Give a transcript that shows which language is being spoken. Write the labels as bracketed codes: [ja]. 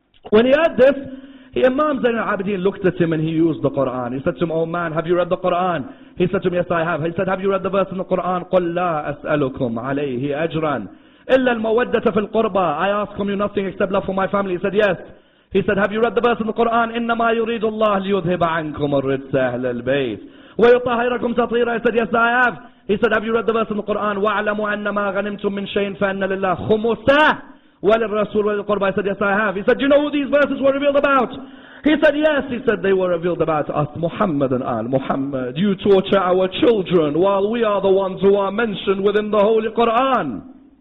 [en] When he heard this, Imam Zain al-Abidin looked at him and he used the Quran. He said to him, oh man, have you read the Quran? He said to him, yes, I have. He said, have you read the verse in the Quran? [ar] قُلْ لَا أَسْأَلُكُمْ عَلَيْهِ أَجْرًا إِلَّا الْمَوَدَّةَ فِي الْقُرْبَى. [en] I ask from you nothing except love for my family. He said, yes. He said, have you read the verse in the Quran? [ar] إِنَّمَا يُرِيدُ اللَّهُ لِيُذْهِبَ عَنْكُمْ الرِّجْسَ أَهْلَ الْبَيْتِ وَيُطَهِّرَكُمْ تَطْهِيرًا. [en] He said, yes, I have. He said, have you read the verse in the Quran? [ar] وَاعْلَمُوا أَنَّمَا غَنِمْتُم مِّن شَيْءٍ فَإِنَّ لِلَّهِ خُمُسَهُ وَلِلرَّسُولِ وَلِلْقُرْبَى. [en] I said, yes, I have. He said, do you know who these verses were revealed about? He said, yes. He said, they were revealed about us, Muhammad and Al Muhammad. You torture our children while we are the ones who are mentioned within the Holy Quran.